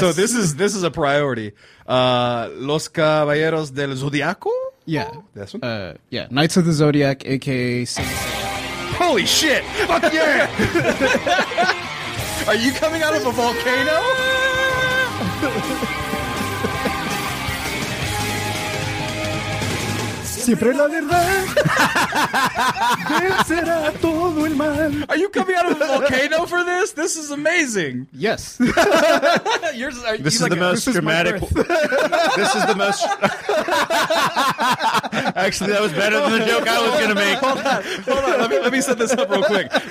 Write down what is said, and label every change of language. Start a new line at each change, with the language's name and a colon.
English: So this is a priority. Los Caballeros del Zodiaco? Yeah. This one? Yeah. Knights of the Zodiac, a.k.a. Holy shit! Fuck yeah! Are you coming out of a volcano?
Spanish: Siempre la verdad vencerá todo el mal.
English: Are you coming out of a volcano for this? This is amazing. Yes. This is the most dramatic. This is the most. Actually, that was better than the joke I was gonna make. Hold on. Let me set this up real quick.